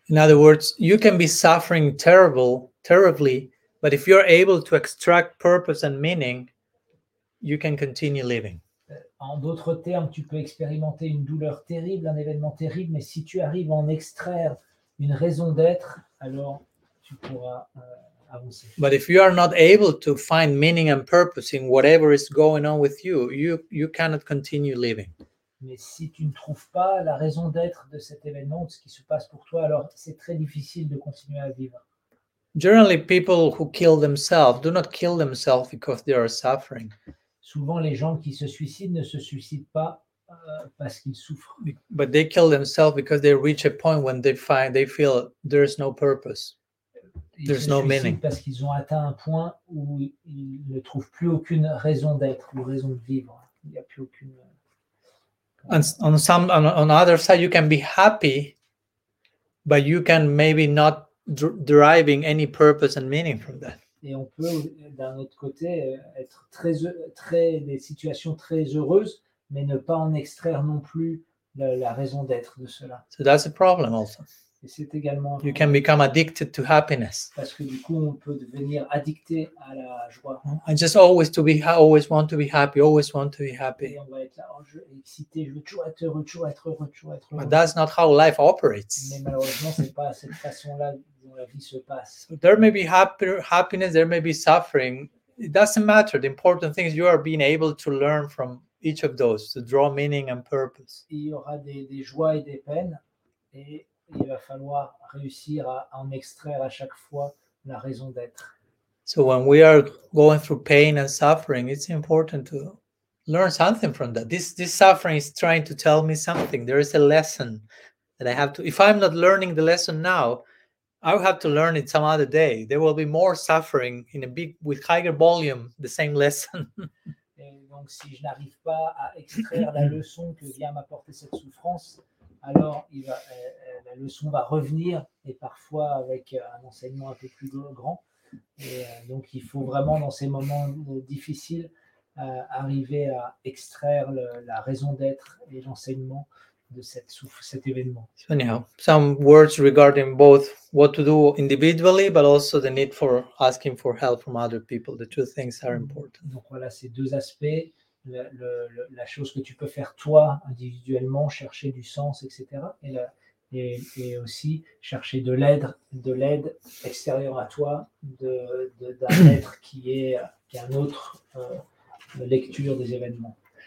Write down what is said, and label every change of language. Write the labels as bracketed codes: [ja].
[en] In other words, you can be suffering terribly, but if you're able to extract purpose and meaning, you can continue living. [fr] En d'autres termes, tu peux expérimenter une douleur terrible, un événement terrible, mais si tu arrives à en extraire une raison d'être, alors tu pourras avancer. [en] But if you are not able to find meaning and purpose in whatever is going on with you, you cannot continue living. [fr] Mais si tu ne trouves pas la raison d'être de cet événement, de ce qui se passe pour toi, alors c'est très difficile de continuer à vivre. [en] Generally, people who kill themselves do not kill themselves because they are suffering. [fr] Souvent, les gens qui se suicident ne se suicident pas parce qu'ils souffrent. [en] But they kill themselves because they reach a point when they feel there is no purpose, there is no meaning. [fr] Ils se suicident parce qu'ils ont atteint un point où ils ne trouvent plus aucune raison d'être ou raison de vivre. Il n'y a plus aucune. [en] And on other side, you can be happy, but you can maybe not deriving any purpose and meaning from that. [fr] Et on peut, d'un autre côté, être très des situations très heureuses, mais ne pas en extraire non plus la raison d'être de cela. [en] So that's a problem also. [fr] Et c'est également un problème. [en] You can become addicted to happiness. [fr] Parce que du coup, on peut devenir addicté à la joie. [en] I just always want to be happy, always want to be happy. [fr] Et on va être là, excité, je veux toujours être heureux, toujours être heureux, toujours être heureux. [en] But that's not how life operates. [fr] Mais malheureusement, c'est pas cette façon-là dont la vie se passe. [en] There may be happiness, there may be suffering. It doesn't matter. The important thing is you are being able to learn from each of those to draw meaning and purpose. [fr] Il y aura des joies et des peines, et il va falloir réussir à en extraire à chaque fois la raison d'être. [en] So when we are going through pain and suffering, it's important to learn something from that. This suffering is trying to tell me something. There is a lesson that I have to. If I'm not learning the lesson now, I will have to learn it some other day. There will be more suffering in a big, with higher volume, the same lesson. [fr] Et donc si je n'arrive pas à extraire la leçon que vient m'apporter cette souffrance, alors la leçon va revenir, et parfois avec un enseignement un peu plus grand. Et donc il faut vraiment, dans ces moments difficiles, arriver à extraire la raison d'être et l'enseignement de cet événement. [en] So anyhow, some words regarding both what to do individually, but also the need for asking for help from other people. The two things are important. [fr] Donc voilà ces deux aspects. La chose que tu peux faire toi individuellement, chercher du sens, etc. Et aussi chercher de l'aide extérieure à toi, d'un être qui est un autre lecture des événements.